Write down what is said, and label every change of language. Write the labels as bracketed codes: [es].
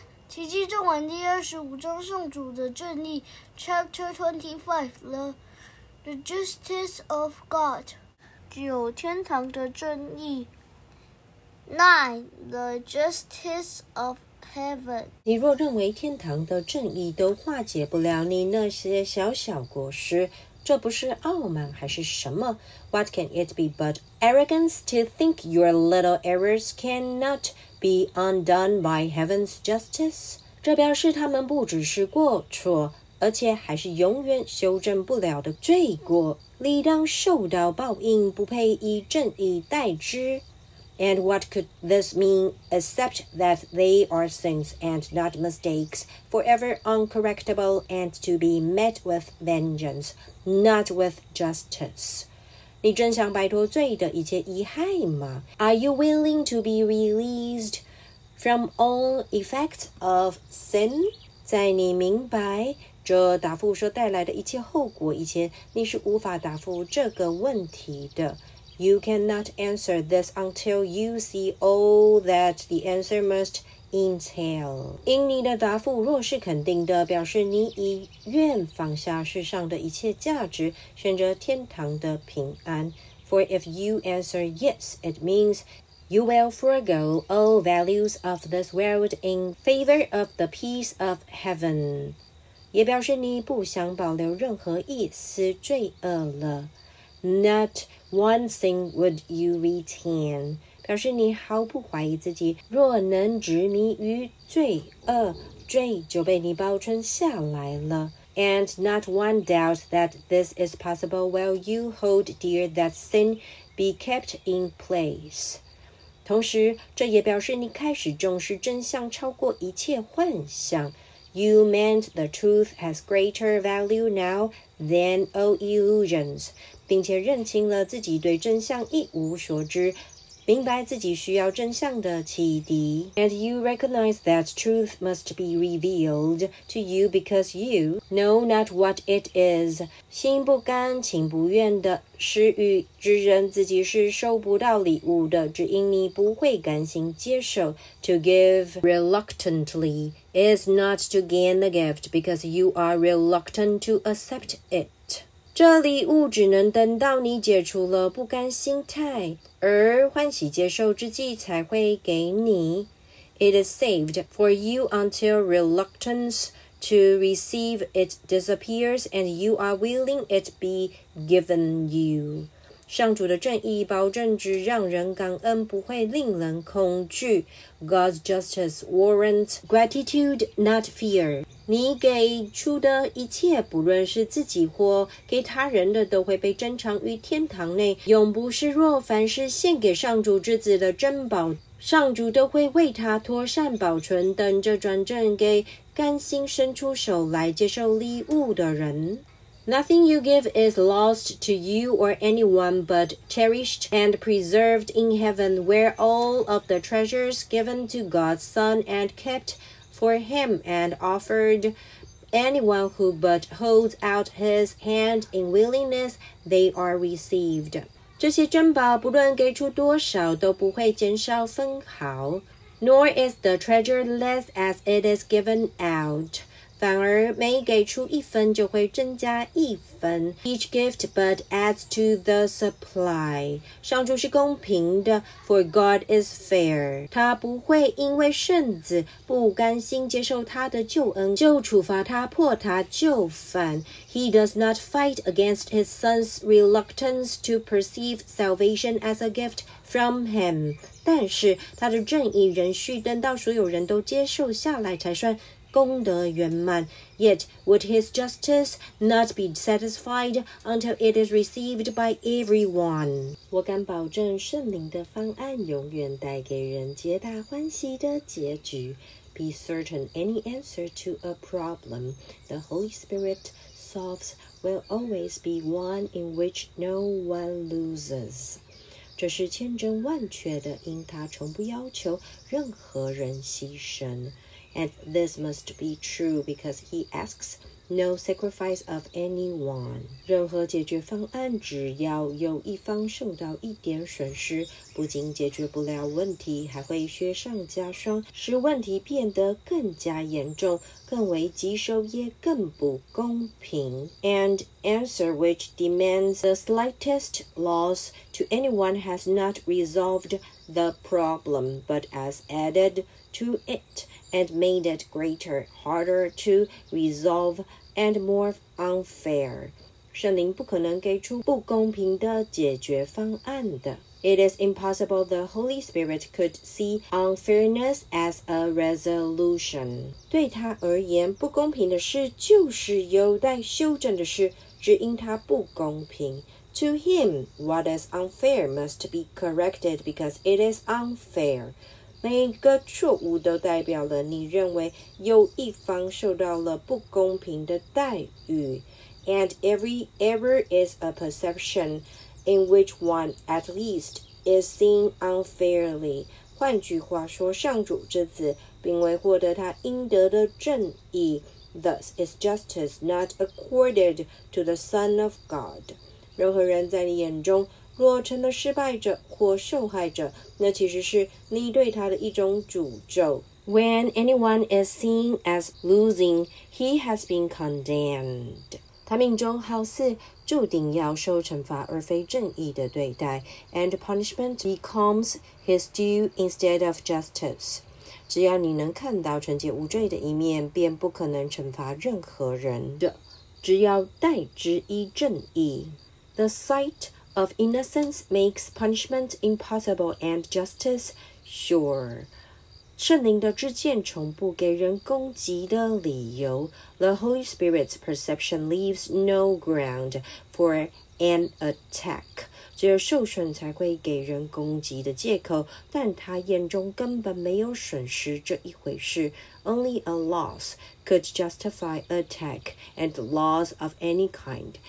[zh] 奇迹中文第25章圣主的正义 [en] Chapter 25 The Justice of God. [zh] 9天堂的正义9. [en] The Justice of Heaven. [zh] 你若认为天堂的正义都化解不了你那些小小过失，这不是傲慢还是什么？ [en] What can it be but arrogance to think your little errors cannot be undone by Heaven's justice? [zh] 这表示他们不只是过错，而且还是永远修正不了的罪过，理当受到报应，不配以正义代之。 [en] And what could this mean except that they are sins and not mistakes, forever uncorrectable and to be met with vengeance, not with justice? [zh] 你真想摆脱罪的一切遗害吗？ [en] Are you willing to be released from all effects of sin? [zh] 在你明白这答复所带来的一切后果以前，你是无法答复这个问题的。 [en] You cannot answer this until you see all that the answer must entail. [zh] 因你的答复若是肯定的，表示你已愿放下世上的一切价值，选择天堂的平安。 [en] For if you answer yes, it means you will forego all values of this world in favor of the peace of heaven. [zh] 也表示你不想保留任何一丝罪恶了。 [en] Not one thing would you retain. [zh] 表示你毫不怀疑自己，若能执迷于罪恶，罪就被你保存下来了。 [en] And not one doubt that this is possible while you hold dear that sin be kept in place. [zh] 同时，这也表示你开始重视真相超过一切幻想。 [en] You meant the truth has greater value now than all illusions. [zh] 并且认清了自己对真相一无所知，明白自己需要真相的启迪。 [en] And you recognize that truth must be revealed to you because you know not what it is. [zh] 心不甘情不愿的施予之人，自己是收不到礼物的，只因你不会甘心接受。 [en] To give reluctantly is not to gain the gift because you are reluctant to accept it. [zh] 这礼物只能等到你解除了不甘心态，而欢喜接受之际才会给你。 [en] It is saved for you until reluctance to receive it disappears and you are willing it be given you. [zh] 上主的正义保证只让人感恩，不会令人恐惧。 [en] God's justice warrants gratitude, not fear. [zh] 你给出的一切，不论是自己或给他人的，都会被珍藏于天堂内，永不示弱。凡是献给上主之子的珍宝，上主都会为他妥善保存，等着转赠给甘心伸出手来接受礼物的人。 [en] Nothing you give is lost to you or anyone, but cherished and preserved in heaven, where all of the treasures given to God's Son and kept for him and offered anyone who but holds out his hand in willingness, they are received. [zh] 这些珍宝不论给出多少都不会减少分毫。 [en] Nor is the treasure less as it is given out. [zh] 反而每给出一分就会增加一分。 [en] Each gift but adds to the supply. [zh] 上主是公平的 , [en] for God is fair. [zh] 他不会因为圣子不甘心接受他的救恩就处罚他迫他就范。 [en] He does not fight against his son's reluctance to perceive salvation as a gift from him. [zh] 但是他的正义仍需等到所有人都接受下来才算功德圆满。 [en] Yet would his justice not be satisfied until it is received by everyone? [zh] 我敢保证圣灵的方案永远带给人皆大欢喜的结局。 [en] Be certain any answer to a problem the Holy Spirit solves will always be one in which no one loses. [zh] 这是千真万确的，因他从不要求任何人牺牲。 [en] And this must be true because he asks no sacrifice of anyone. [zh] 任何解决方案只要有一方受到一点损失，不仅解决不了问题，还会雪上加霜，使问题变得更加严重，更为棘手，也更不公平。 [en] And answer which demands the slightest loss to anyone has not resolved the problem, but has added to it. And made it greater, harder to resolve, and more unfair. [zh] 圣灵不可能给出不公平的解决方案的。 [en] It is impossible the Holy Spirit could see unfairness as a resolution. [zh] 对他而言，不公平的事就是有待修正的事，只因他不公平。 [en] To him, what is unfair must be corrected because it is unfair. [zh] 每个错误都代表了你认为有一方受到了不公平的待遇。 [en] And every error is a perception in which one, at least, is seen unfairly. [zh] 换句话说，上主之子并未获得他应得的正义。 [en] Thus is justice not accorded to the Son of God. [zh] 任何人在你眼中若成了失败者或受害者，那其实是你对他的一种诅咒。 [en] When anyone is seen as losing, he has been condemned. [zh] 他命中好似注定要受惩罚而非正义的对待。 [en] And punishment becomes his due instead of justice. [zh] 只要你能看到纯洁无罪的一面，便不可能惩罚任何人的，只要代之以正义。 [en] The sight of innocence makes punishment impossible and justice sure. [zh] 圣灵的知见从不给人攻击的理由。 [en] The Holy Spirit's perception leaves no ground for an attack. [zh] 只有受损才会给人攻击的借口，但他眼中根本没有损失这一回事。 [en] Only a loss could justify attack and loss of any kind.